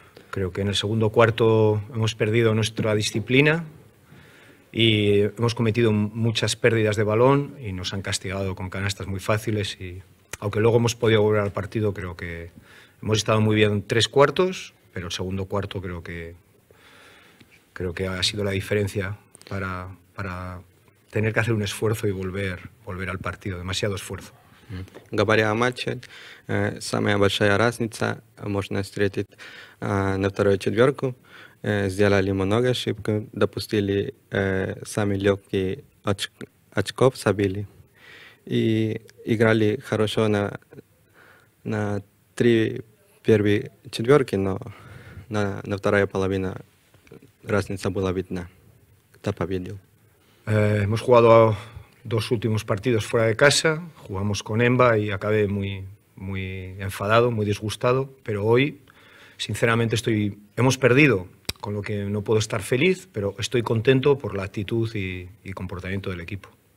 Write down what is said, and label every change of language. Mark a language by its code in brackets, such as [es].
[es] Creo que en el segundo cuarto hemos perdido nuestra disciplina y hemos cometido muchas pérdidas de balón y nos han castigado con canastas muy fáciles. Y aunque luego hemos podido volver al partido, creo que hemos estado muy bien tres cuartos, pero el segundo cuarto creo que ha sido la diferencia para tener que hacer un esfuerzo y volver al partido, demasiado esfuerzo. [ru] Говоря о матче, самая большая разница можно встретить на вторую четверку. Сделали много ошибок, допустили самые легкие очков, забили. И играли хорошо на три первые четверки, но на вторая половина разница была видна. Кто победил? [es] Hemos jugado dos últimos partidos fuera de casa, jugamos con Emba y acabé muy, muy enfadado, muy disgustado, pero hoy, sinceramente, hemos perdido, con lo que no puedo estar feliz, pero estoy contento por la actitud y comportamiento del equipo.